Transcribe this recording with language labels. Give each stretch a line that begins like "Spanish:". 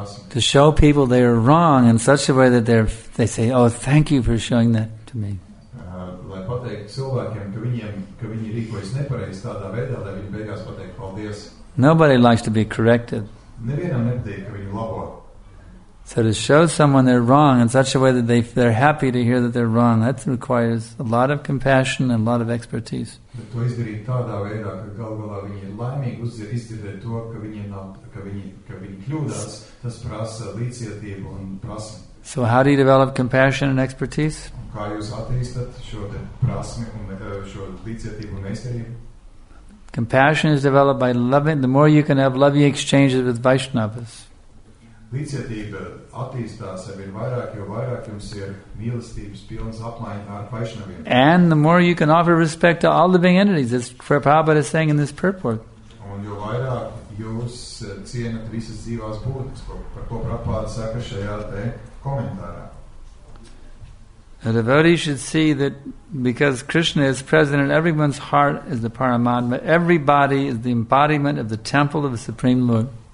English: To show people they are wrong in such a way that they say, oh, thank you for showing that.
Latvian: Lai pateikt cilvēkiem, ka viņi rīkojas nepareizi tādā veidā, lai viņi beigās pateikt paldies.
English: Nobody likes to be corrected.
Latvian: Nevienam nepatīk, ka viņi labo.
English: So to show someone they're wrong in such a way that they're happy to hear that they're wrong, that requires a lot of compassion and a lot of expertise.
Latvian: Bet to izdarīt tādā veidā, ka galvā viņi ir laimīgi uzdzirdēt to, ka viņi nav, ka viņi kļūdās, tas prasa līdzjūtību un prasa.
English: So how do you develop compassion and expertise?
Latvian: Kā jūs attīstat šo te prasmi un šo līdzjūtību un meistarību?
English: Compassion is developed by loving. The more you can have loving exchanges with Vaishnavas.
Latvian: Līdzjūtība attīstās ar vien vairāk, jo vairāk jums ir mīlestības pilns apmaiņa ar Vaishnaviem.
English: And the more you can offer respect to all living entities, as Prabhupada is saying in this purport.
Latvian: Un jo vairāk jūs cienat visas dzīvās būtnes, par ko Prabhupada saka šajā te komentārā.
English: A devotee should see that because Krishna is present in everyone's heart is the Paramatma, everybody is the embodiment of the temple of the Supreme Lord.